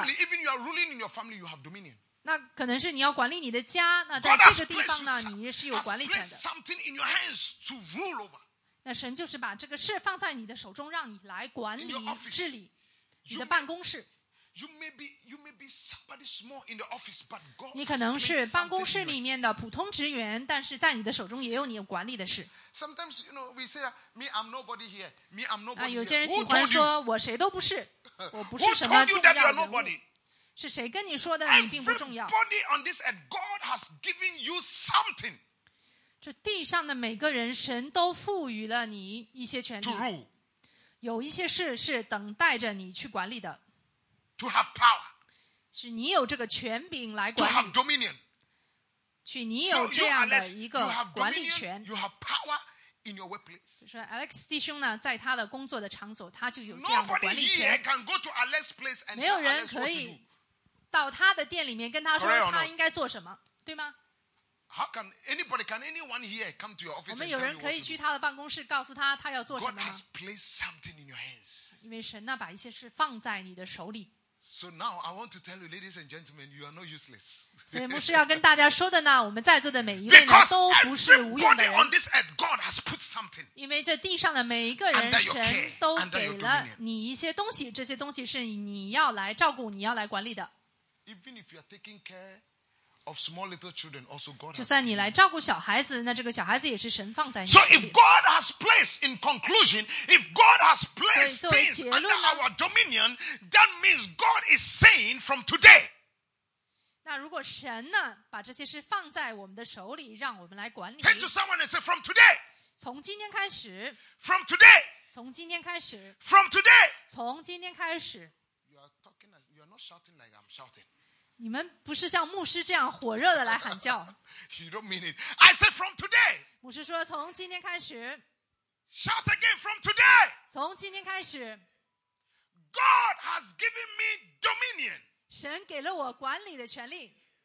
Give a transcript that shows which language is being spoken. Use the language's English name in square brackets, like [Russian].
[English] Number one, your family, even you are ruling in your family, you have dominion. [Chinese] 那可能是你要管理你的家，那在这个地方呢，你是有管理权的。 [English] God has placed something in your hands to rule over. [Chinese] 那神就是把这个事放在你的手中，让你来管理、治理你的办公室。 [English] You may be somebody small in the office, but God. [Chinese] 你可能是办公室里面的普通职员，但是在你的手中也有你管理的事。 [English] Sometimes you know we say, "Me, I'm nobody here. Me, I'm nobody here." [Chinese] 啊，有些人喜欢说，我谁都不是，我不是什么重要人物。是谁跟你说的？你并不重要。 [English] Everybody on this earth, God has given you something. [Chinese] 这地上的每个人，神都赋予了你一些权利。 [English] To rule. [Chinese] 有一些事是等待着你去管理的。 [English] To have power, [Chinese] 是你有这个权柄来管理。 [English] To have dominion, [Chinese] 去你有这样的一个管理权。 [English] You have power in your workplace. [Chinese] 就说 Alex 弟兄呢，在他的工作的场所，他就有这样的管理权。 [English] Nobody can go to Alex's place and [Chinese] 没有人可以到他的店里面跟他说他应该做什么，对吗？ [English] How can anybody, can anyone here come to your office? [Chinese] 我们有人可以去他的办公室告诉他他要做什么吗？ [English] God has placed something in your hands. [Chinese] 因为神呢，把一些事放在你的手里。 [English] So now I want to tell you, ladies and gentlemen, you are not useless. [Chinese] 所以牧师要跟大家说的呢，我们在座的每一位呢，都不是无用的人。 [English] Because everybody on this earth, God has put something. [Chinese] 因为这地上的每一个人，神都给了你一些东西，这些东西是你要来照顾，你要来管理的。 [English] Even if you are taking care of small little children, also God has. [Chinese] 就算你来照顾小孩子，那这个小孩子也是神放在你。 [English] So if God has placed, in conclusion, if God has placed things under our dominion, that means God is saying from today. [Chinese] 那如果神呢，把这些事放在我们的手里，让我们来管理。 [English] Turn to someone and say from today. [Chinese] 从今天开始。 [English] From today. [Chinese] 从今天开始。 [English] From today. [Chinese] 从今天开始。 [English] You are talking, you are not shouting like I'm shouting. [Chinese] 你们不是像牧师这样火热的来喊叫。 [English] You don't mean it. I said from today. [Chinese] 牧师说从今天开始。 [English] Shout again from today. [Chinese] 从今天开始。 [English] God has given me dominion. [Chinese] 神给了我管理的权利。